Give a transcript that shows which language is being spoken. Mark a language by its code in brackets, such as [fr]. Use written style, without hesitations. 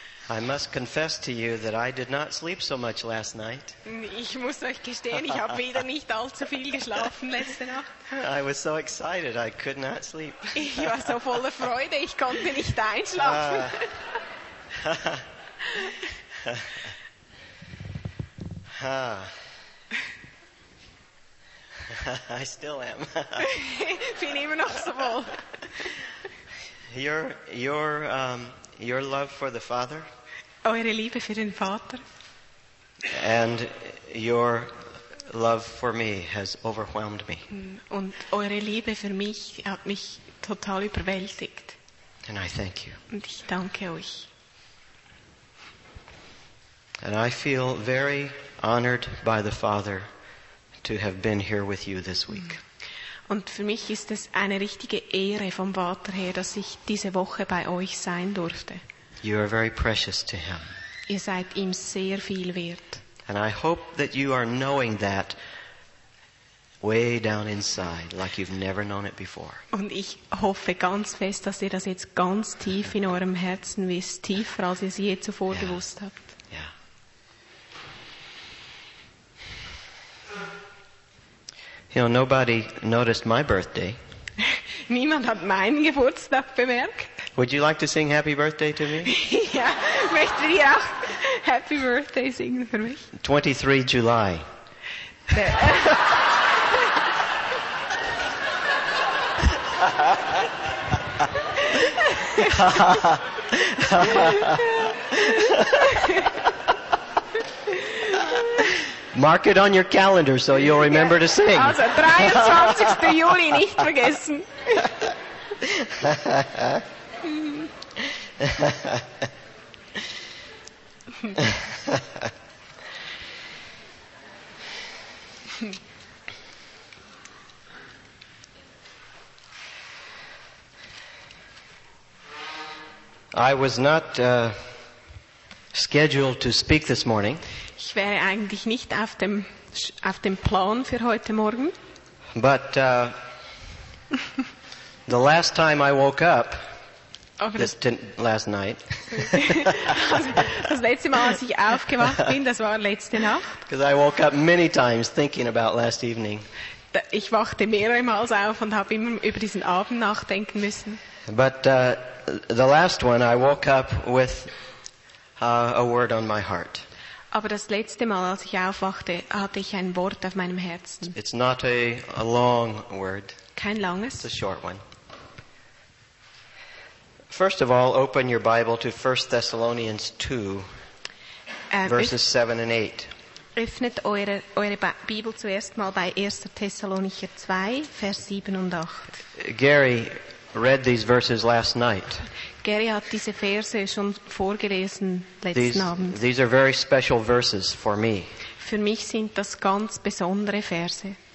[en] I must confess to you that I did not sleep so much last night. [de] Ich muss euch gestehen, ich habe wieder nicht allzu viel geschlafen letzte Nacht. [en] I was so excited, I could not sleep. [de] Ich war so voller Freude, ich konnte nicht einschlafen. [en] I still am. [de] Bin immer noch so voll. [en] Your love for the Father. [de] Eure Liebe für den Vater. [en] And your love for me has overwhelmed me. [de] Und eure Liebe für mich hat mich total überwältigt. [en] And I thank you. [de] Und ich danke euch. [en] And I feel very honored by the Father to have been here with you this week. [de] Und für mich ist es eine richtige Ehre vom Vater her, dass ich diese Woche bei euch sein durfte. [en] You are very precious to him. [de] Ihr seid ihm sehr viel wert. [en] And I hope that you are knowing that way down inside, like you've never known it before. [de] Und ich hoffe ganz fest, dass ihr das jetzt ganz tief in eurem Herzen wisst, tiefer als ihr es je zuvor gewusst habt. [en] Yeah. You know, nobody noticed my birthday. [de] Niemand hat meinen Geburtstag bemerkt. [en] Would you like to sing Happy Birthday to me? [de] Ja, möchtet ihr auch Happy Birthday singen für mich? [en] 23 July. Mark it on your calendar so you'll remember to sing. [de] Also, 23. Juli, nicht vergessen. [en] I was not scheduled to speak this morning. [de] Ich wäre eigentlich nicht auf dem Plan für heute Morgen. [en] But the last time I woke up. Last night. [de] Das letzte Mal, als ich aufgewacht bin, das war letzte Nacht. [en] Because I woke up many times thinking about last evening. [de] Ich wachte mehrmals auf und habe immer über diesen Abend nachdenken müssen. [en] But the last one, I woke up with a word on my heart. [de] Aber das letzte Mal, als ich aufwachte, hatte ich ein Wort auf meinem Herzen. [en] It's not a long word. [de] Kein langes. [en] It's a short one. First of all, open your Bible to 1 Thessalonians 2, verses 7 and 8. [de] Öffnet eure Bibel zuerst mal bei 1. Thessalonicher 2, Vers 7 und 8. [en] Gary read these verses last night. [de] Gary hat diese Verse schon vorgelesen letzten Abend. [en] These are very special verses for me. [de] Für mich sind das ganz besondere Verse.